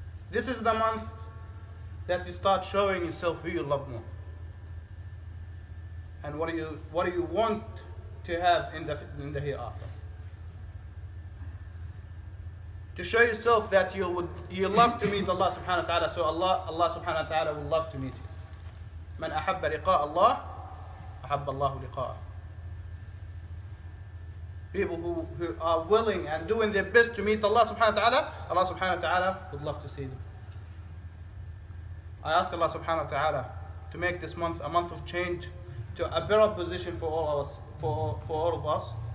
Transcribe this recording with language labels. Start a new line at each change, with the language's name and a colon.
English: This is the month that you start showing yourself who you love more. And what do you want to have in the hereafter? To show yourself that you love to meet Allah subhanahu wa ta'ala, so Allah subhanahu wa ta'ala will love to meet you.
Arabic: من أحب لقاء الله أحب الله لقاءه.
English: People who are willing and doing their best to meet Allah subhanahu wa ta'ala, Allah subhanahu wa ta'ala would love to see them. I ask Allah subhanahu wa ta'ala to make this month a month of change, to a better position for all of us.